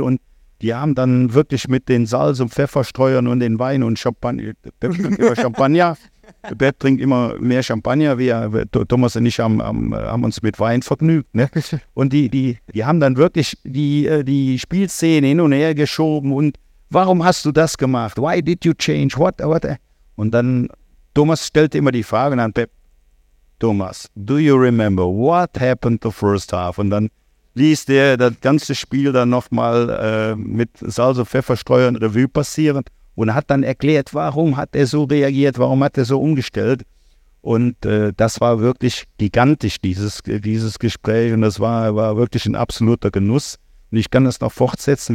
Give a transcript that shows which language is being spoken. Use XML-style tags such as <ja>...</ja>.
<de>Und die haben dann wirklich mit den Salz- und Pfefferstreuern und den Wein und Champagner, Pep trinkt immer Champagner, Pep trinkt immer mehr Champagner, Thomas und ich haben uns mit Wein vergnügt. Ne? Und die haben dann wirklich die Spielszenen hin und her geschoben und warum hast du das gemacht?</de> <en>Why did you change? What?</en> <de>Und dann, Thomas stellte immer die Frage an Pep.</de> <en>Thomas, do you remember what happened the first half?</en> <de>Und dann liest er das ganze Spiel dann nochmal mit Salz und Pfefferstreuern Revue passieren und hat dann erklärt, warum hat er so reagiert, warum hat er so umgestellt? Und das war wirklich gigantisch, dieses Gespräch. Und das war wirklich ein absoluter Genuss. Und ich kann das noch fortsetzen.</de>